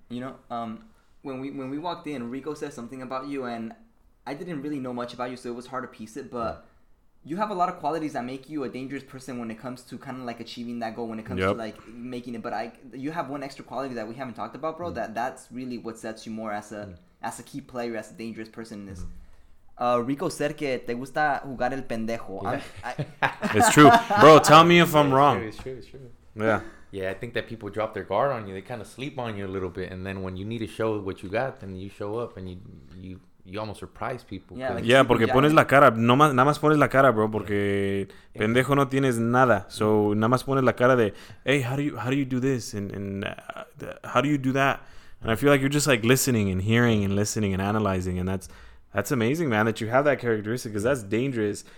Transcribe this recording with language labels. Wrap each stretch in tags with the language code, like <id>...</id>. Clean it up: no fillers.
<en>You know, when we walked in, Rico said something about you, and I didn't really know much about you, so it was hard to piece it, but you have a lot of qualities that make you a dangerous person when it comes to kind of like achieving that goal, when it comes to like making it. But you have one extra quality that we haven't talked about, bro, that's really what sets you more as a as a key player, as a dangerous person in this. Rico said</en> <es>que te gusta jugar el pendejo.</es> <en>Yeah. It's true. Bro, tell me if I'm wrong. It's true. Yeah. Yeah, I think that people drop their guard on you. They kind of sleep on you a little bit. And then when you need to show what you got, then you show up and you almost surprise people. Yeah, like yeah,</en> <es>porque pones la cara. No más, nada más pones la cara, bro, porque pendejo no tienes nada.</es> <en>So</en> <es>nada más pones la cara de,</es> <en>hey, how do you do this? And how do you do that? And I feel like you're just like listening and hearing and listening and analyzing. And that's amazing, man, that you have that characteristic, because that's dangerous.</en>